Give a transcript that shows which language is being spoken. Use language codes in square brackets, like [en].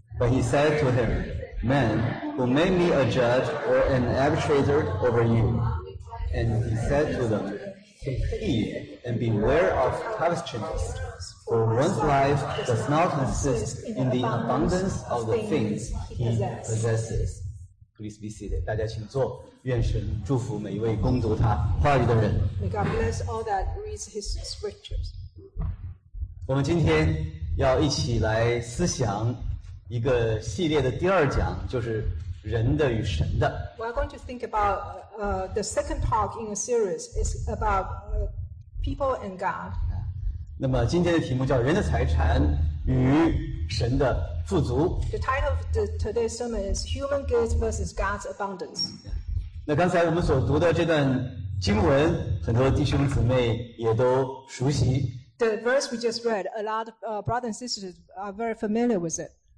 [en] But he said to him, "Man, who made me a judge or an arbitrator over you?" And he said to them, "Take heed and beware of covetousness, for one's life does not consist in the abundance of the things he possesses." Please be seated. [zh] 大家请坐。愿神祝福每一位攻读他话语的人。 [en] May God bless all that reads his scriptures. [zh] 我们今天要一起来思想一个系列的第二讲，就是人的与神的。 [en] We are going to think about the second talk in a series is about people and God. [zh] 那么今天的题目叫人的财产与神的富足。 [en] The title of today's sermon is Human Goods versus God's Abundance. [zh] 那刚才我们所读的这段经文，很多弟兄姊妹也都熟悉。 [en] The verse we just read, a lot of brothers and sisters are very familiar with it.